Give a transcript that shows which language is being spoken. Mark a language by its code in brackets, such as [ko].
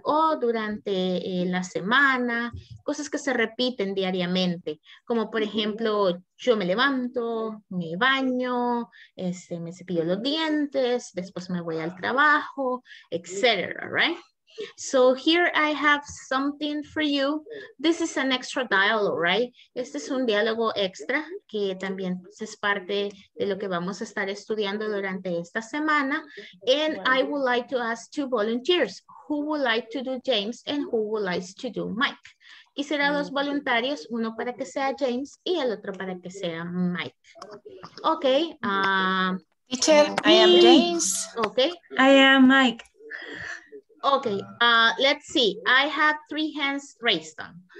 [es] O durante la semana, cosas que se repiten diariamente, como por ejemplo, yo me levanto, me baño, me cepillo los dientes, después me voy al trabajo, etc., right? [en] So here I have something for you. This is an extra dialogue, right? [es] Este es un diálogo extra que también es parte de lo que vamos a estar estudiando durante esta semana. [en] And I would like to ask two volunteers. Who would like to do James and who would like to do Mike? [es] Quisiera dos voluntarios, uno para que sea James y el otro para que sea Mike. [en] Okay. Teacher, I am James. Okay. I am Mike. Okay, let's see. I have three hands raised on.